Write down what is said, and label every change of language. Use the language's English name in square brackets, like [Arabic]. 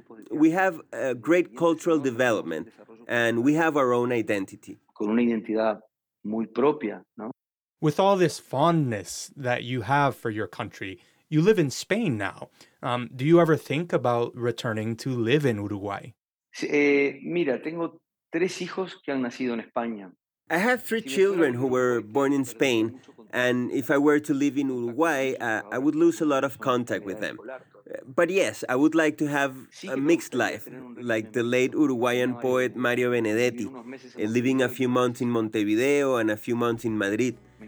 [English] We have a great cultural development, and we have our own identity. [Spanish] Con una identidad muy propia, ¿no? [English] With all this fondness that you have for your country, you live in Spain now. Do you ever think about returning to live in Uruguay? [Spanish] Mira, tengo tres hijos que han nacido en España. [English] I have three children who were born in Spain, and if I were to live in Uruguay, I would lose a lot of contact with them. But yes, I would like to have a mixed life, like the late Uruguayan poet Mario Benedetti, living a few months in Montevideo and a few months in Madrid.